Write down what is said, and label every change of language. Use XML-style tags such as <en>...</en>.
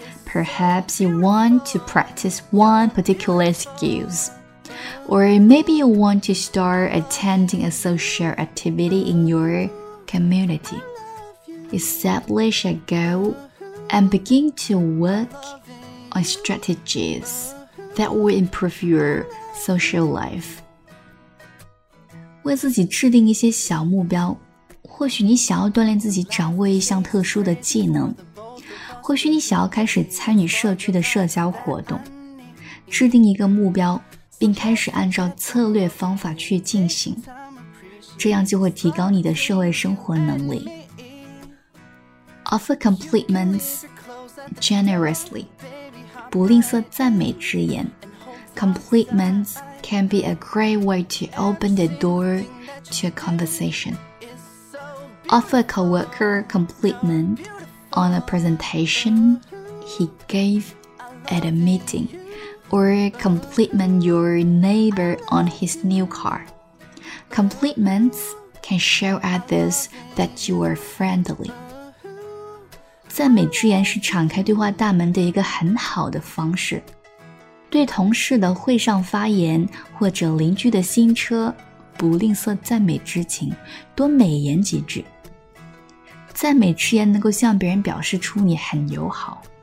<en>Perhaps you want to practice one particular skills, or maybe you want to start attending a social activity in your community. Establish a goalAnd begin to work on strategies that will improve your social life.</en> <zh>为自己制定一些小目标，或许你想要锻炼自己掌握一项特殊的技能，或许你想要开始参与社区的社交活动。制定一个目标，并开始按照策略方法去进行，这样就会提高你的社会生活能力。</zh> <en>Offer compliments generously.</en> <zh>不吝啬赞美之言。</zh> <en>Compliments can be a great way to open the door to a conversation. Offer a coworker a compliment on a presentation he gave at a meeting, or compliment your neighbor on his new car. Compliments can show others that you are friendly.</en> <zh>赞美之言是敞开对话大门的一个很好的方式。对同事的会上发言，或者邻居的新车，不吝啬赞美之情，多美言几句。赞美之言能够向别人表示出你很友好。</zh>